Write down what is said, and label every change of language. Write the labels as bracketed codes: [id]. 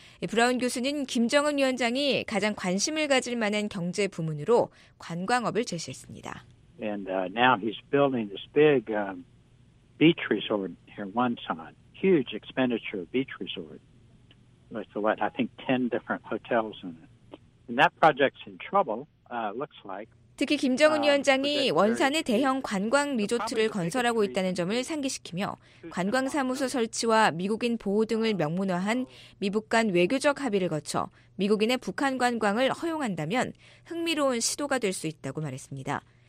[ko] 브라운 교수는 김정은 위원장이 가장 관심을 가질 만한 경제 부문으로 관광업을 제시했습니다. [en] And now he's building this big beach resort here in Wonsan. Huge expenditure beach resort with what I think 10 different hotels in it. And that project's in trouble, looks like. [ko] 특히 김정은 위원장이 원산에 대형 관광 리조트를 건설하고 있다는 점을 상기시키며 관광사무소 설치와 미국인 보호 등을 명문화한 미국 간 외교적 합의를 거쳐 미국인의 북한 관광을 허용한다면 흥미로운 시도가 될 수 있다고 말했습니다.